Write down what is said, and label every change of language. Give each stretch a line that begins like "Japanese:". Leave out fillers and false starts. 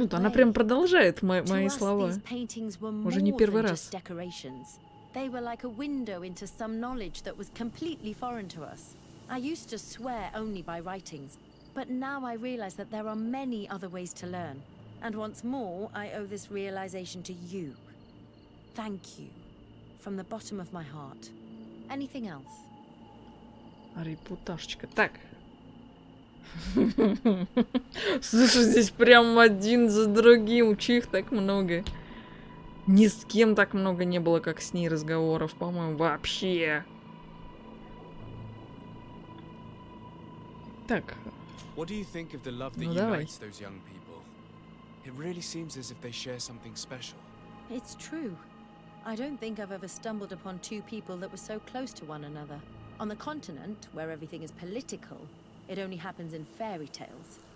Russian: Ну, то она прям продолжает мои слова. Уже не первый раз.
English: They were like a window into some knowledge that was completely foreign to us. I used to swear only by writings, but now I realize that there are many other ways to learn. And once more, I owe this realization to you. Thank you. From the bottom of my heart. Anything else?
Russian: Репутажечка. Так. Слушай, здесь прям один за другим. Чих так много. Ни с кем так много не было, как с ней разговоров, по-моему, вообще. Так.
English: What do you think of the love that unites those young people? It really seems as if they share something special. It's true. I don't think I've ever stumbled upon two people that were so close to one another. On the continent, where everything is political, it only happens in fairy tales.